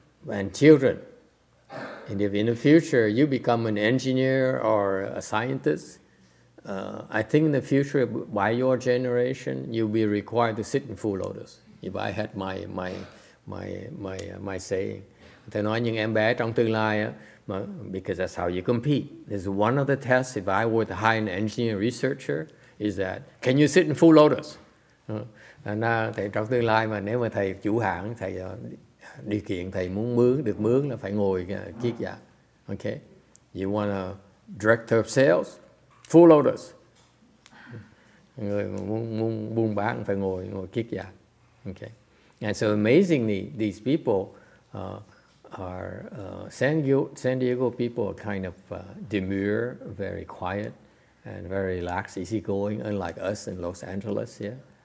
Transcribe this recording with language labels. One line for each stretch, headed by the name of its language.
English: And children, and if in the future you become an engineer or a scientist, I think in the future, by your generation, you'll be required to sit in full lotus. If I had my saying, they
Vietnamese: nói những em bé trong tương lai,
English: because that's how you compete. There's one of the tests. If I were to hire an engineer researcher, is that can you sit in full lotus?
Vietnamese: Thầy trong tương lai mà nếu mà thầy chủ hãng, thầy điều kiện thầy muốn mướn được mướn là phải ngồi kiết dạ.
English: Okay, you want a director of sales, full lotus.
Vietnamese: Người muốn buôn bán phải ngồi kiết dạ.
English: Okay, and so amazingly, these people are San Diego people are kind of demure, very quiet, and very relaxed, easygoing, unlike us in Los Angeles here.